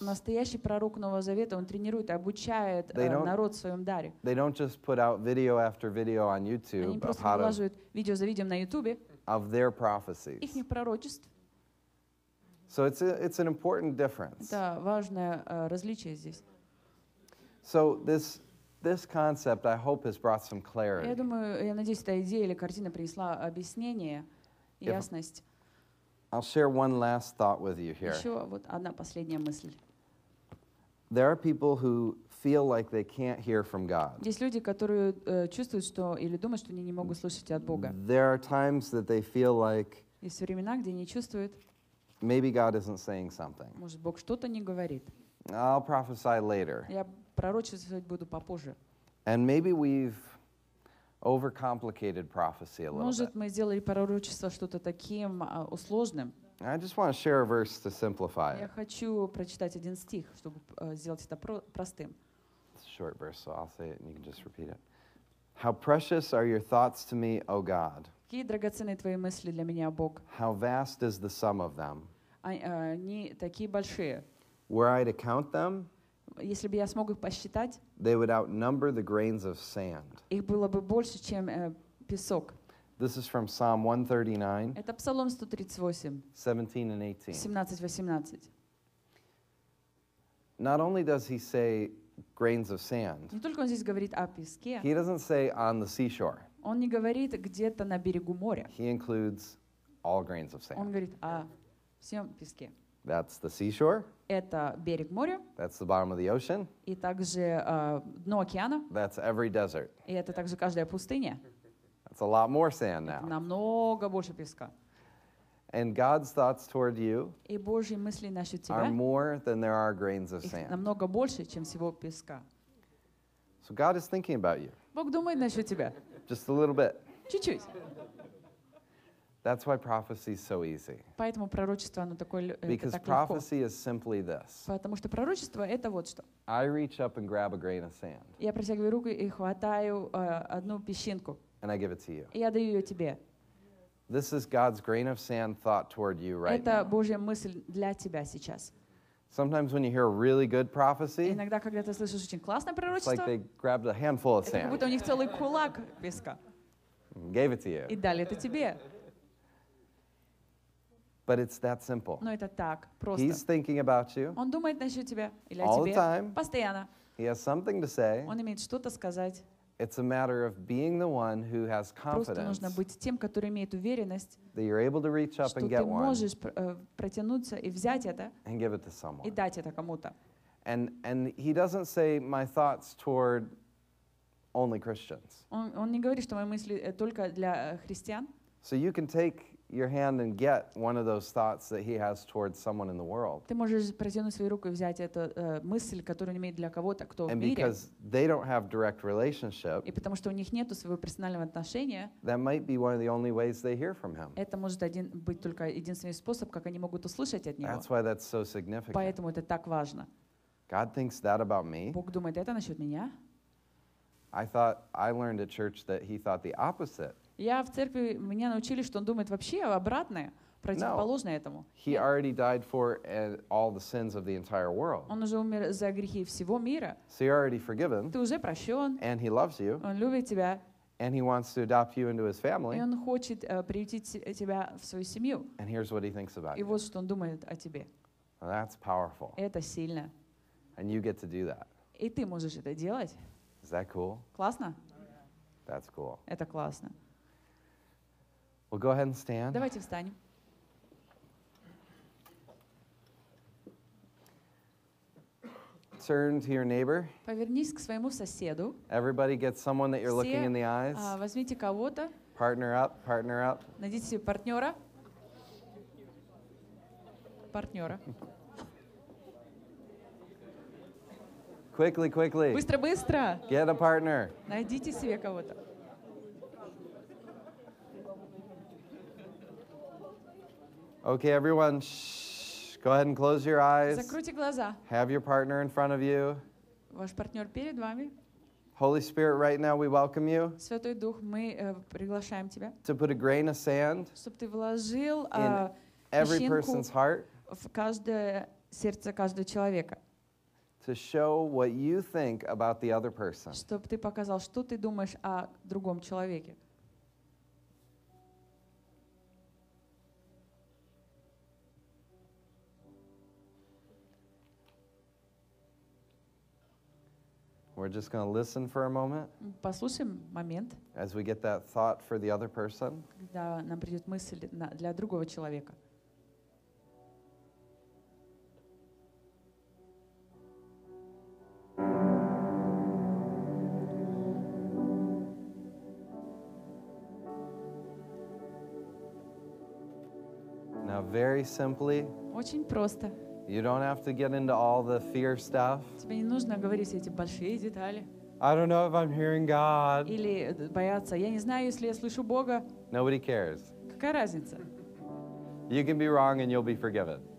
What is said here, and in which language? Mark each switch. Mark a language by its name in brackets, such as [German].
[Russian] Настоящий пророк Нового Завета, он тренирует и обучает народ в своем даре. [English] They don't just put out video after video on YouTube. [Russian] Они просто выкладывают видео за видео на YouTube. [English] Of their prophecies. [Russian] Их пророчеств. [English] So it's an important difference. [Russian] Это важное различие здесь. [English] So this concept I hope has brought some clarity. [Russian] Я думаю, я надеюсь, эта идея или картина принесла объяснение, ясность. [English] I'll share one last thought with you here. [Russian] Еще вот одна последняя мысль. [English] There are people who feel like they can't hear from God. [Russian] Есть люди, которые чувствуют, что или думают, что они не могут слышать от Бога. [English] There are times that they feel like. [Russian] Есть времена, где они чувствуют. [English] Maybe God isn't saying something. [Russian] Может, Бог что-то не говорит. [English] I'll prophesy later. [Russian] Я пророчествовать буду попозже. [English] And maybe we've overcomplicated prophecy a little bit. [Russian] Может, мы сделали пророчество что-то таким сложным. [English] I just want to share a verse to simplify it. [Russian] Я хочу прочитать один стих, чтобы сделать это простым. [English] It's a short verse, so I'll say it and you can just repeat it. How precious are your thoughts to me, O God. [Russian] Какие драгоценны твои мысли для меня, Бог. [English] How vast is the sum of them. [Russian] Они такие большие. [English] Were I to count them, [Russian] если бы я смог их посчитать, [English] they would outnumber the grains of sand. [Russian] Их было бы больше, чем песок. [English] This is from Psalm 139. [Russian] Это Псалом 138. [English] 17:18. Not only does he say grains of sand. [Russian] Не только он здесь говорит о песке. [English] He doesn't say on the seashore. [Russian] Он не говорит где-то на берегу моря. [English] He includes all grains of sand. [Russian] Он говорит о всем песке. [English] That's the seashore. [Russian] Это берег моря. [English] That's the bottom of the ocean. [Russian] И также дно океана. [English] That's every desert. [Russian] И это также каждая пустыня. [English] That's a lot more sand now. [Russian] Это намного больше песка. [English] And God's thoughts toward you [Russian] и Божьи мысли насчет тебя [English] are more than there are grains of sand. [Russian] Намного больше, чем всего песка. [English] So God is thinking about you. [Russian] Бог думает насчет тебя. [English] Just a little bit. [Russian] Чуть-чуть. [English] That's why prophecy is so easy. [Russian] Поэтому пророчество оно такое легко. [English] Because prophecy is simply this. [Russian] Потому что пророчество это вот что. [English] I reach up and grab a grain of sand. [Russian] Я протягиваю руку и хватаю одну песчинку. [English] And I give it to you. [Russian] И я даю ее тебе. [English] This is God's grain of sand thought toward you right [Russian] это [English] now. [Russian] Это Божья мысль для тебя сейчас. [English] Sometimes when you hear a really good prophecy, [Russian] иногда когда ты слышишь очень классное пророчество, [English] it's like they grabbed a handful of sand. [Russian] Это как будто у них целый кулак песка. [English] Gave it to you. [Russian] И дали это тебе. [English] But it's that simple. [Russian] Но это так просто. [English] He's thinking about you. [Russian] Он думает насчет тебя или [English] all [Russian] о тебе [English] the time. [Russian] Постоянно. [English] He has something to say. [Russian] Он имеет что-то сказать. [English] It's a matter of being the one who has confidence. [Russian] Просто нужно быть тем, который имеет уверенность. [English] That you're able to reach up and get one. [Russian] Что ты можешь протянуться и взять это. [English] And give it to someone. [Russian] И дать это кому-то. [English] And he doesn't say my thoughts toward only Christians. [Russian] Он не говорит, что мои мысли только для христиан. [English] So you can take your hand and get one of those thoughts that he has towards someone in the world. [Russian] Ты можешь протянуть свою руку и взять эту мысль, которую он имеет для кого-то, кто в мире. [English] And because they don't have direct relationship. [Russian] И потому что у них нету своего персонального отношения. [English] That might be one of the only ways they hear from him. [Russian] Это может один быть только единственный способ, как они могут услышать от него. [English] That's why that's so significant. [Russian] Поэтому это так важно. [English] God thinks that about me. [Russian] Бог думает это насчет меня. [English] I thought I learned at church that he thought the opposite. [Russian] Я в церкви, меня научили, что он думает вообще обратное, противоположное этому. [English] He already died for all the sins of the entire world. [Russian] Он уже умер за грехи всего мира. [English] So you're already forgiven. [Russian] Ты уже прощен. [English] And he loves you. [Russian] Он любит тебя. [English] And he wants to adopt you into his family. [Russian] И он хочет приютить тебя в свою семью. [English] And here's what he thinks about you. [Russian] И вот что он думает о тебе. [English] Well, that's powerful. [Russian] Это сильно. [English] And you get to do that. [Russian] И ты можешь это делать. [English] Is that cool? [Russian] Классно? [English] That's cool. [Russian] Это классно. [English] Well, go ahead and stand. [Russian] Давайте встанем. [English] Turn to your neighbor. [Russian] Повернись к своему соседу. [English] Everybody get someone that you're looking in the eyes. [Russian] Возьмите кого-то. [English] Partner up, partner up. [Russian] Найдите себе партнера. Партнера. [English] Quickly, quickly. [Russian] Быстро, быстро. [English] Get a partner. [Russian] Найдите себе кого-то. [English] Okay, everyone, go ahead and close your eyes. [Russian] Закройте глаза. [English] Have your partner in front of you. [Russian] Ваш партнер перед вами. [English] Holy Spirit, right now we welcome you. [Russian] Святой Дух, мы приглашаем тебя. [English] To put a grain of sand. [Russian] Чтобы ты вложил [English] every person's heart. [Russian] В каждое сердце каждого человека. [English] To show what you think about the other person. [Russian] Чтобы ты показал, что ты думаешь о другом человеке. [English] We're just going to listen for a moment. [Russian] Послушаем момент. [English] As we get that thought for the other person. [Russian] Когда нам придет мысль для другого человека. [English] Now, very simply. [Russian] Очень просто. [English] You don't have to get into all the fear stuff. [Russian] Тебе не нужно говорить эти большие детали. [English] I don't know if I'm hearing God. [Russian] Или бояться. Я не знаю, если я слышу Бога. [English] Nobody cares. [Russian] Какая разница? [English] You can be wrong and you'll be forgiven.